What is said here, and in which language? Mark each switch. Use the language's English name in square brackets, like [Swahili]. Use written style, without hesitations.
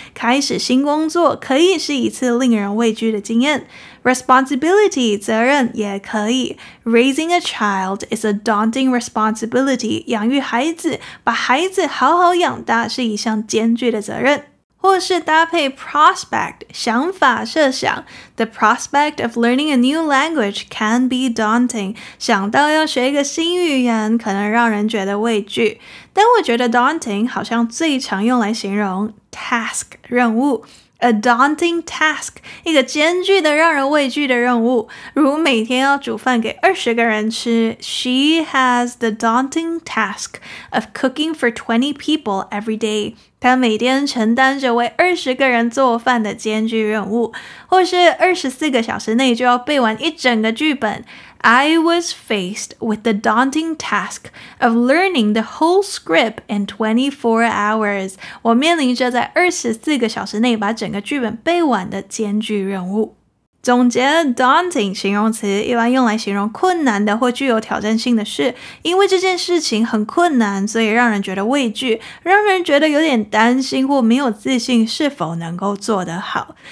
[Chinese] 开始新工作可以是一次令人畏惧的经验。 [English] Responsibility [Chinese] 责任也可以。 [English] Raising a child is a daunting responsibility. [Chinese] 养育孩子，把孩子好好养大是一项艰巨的责任。或是搭配 prospect, 想法设想。 [English] The prospect of learning a new language can be daunting. [Chinese] 想到要学一个新语言可能让人觉得畏惧。但我觉得 daunting 好像最常用来形容 task, 任务。 [English] A daunting task, [Chinese] 一个艰巨的让人畏惧的任务。如每天要煮饭给20个人吃， [English] She has the daunting task of cooking for 20 people every day. [Chinese] 她每天承担着为20个人做饭的艰巨任务。或是24个小时内就要背完一整个剧本。 [English] I was faced with the daunting task of learning the whole script in 24 hours. [Chinese] 我面临着在24个小时内把整个剧本背完的艰巨任务。总结 daunting 形容词一般用来形容困难的或具有挑战性的事，因为这件事情很困难，所以让人觉得畏惧，让人觉得有点担心或没有自信是否能够做得好。